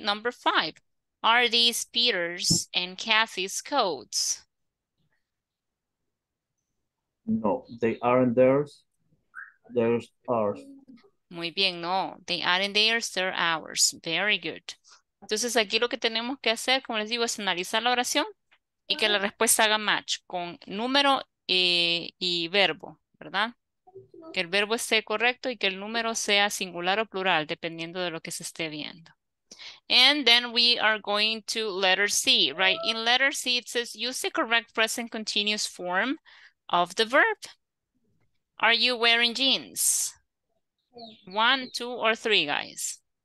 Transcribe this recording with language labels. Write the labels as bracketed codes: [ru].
[en] Number five, are these Peter's and Kathy's coats? No, they aren't theirs, theirs ours. [es] Muy bien, [en] no, they aren't theirs, they're ours. Very good. [es] Entonces aquí lo que tenemos que hacer, como les digo, es analizar la oración y que la respuesta haga match con número y verbo, ¿verdad? Que el verbo esté correcto y que el número sea singular o plural, dependiendo de lo que se esté viendo. [en] And then we are going to letter C, right? In letter C, it says, use the correct present continuous form of the verb. Are you wearing jeans? One, two, or three, guys?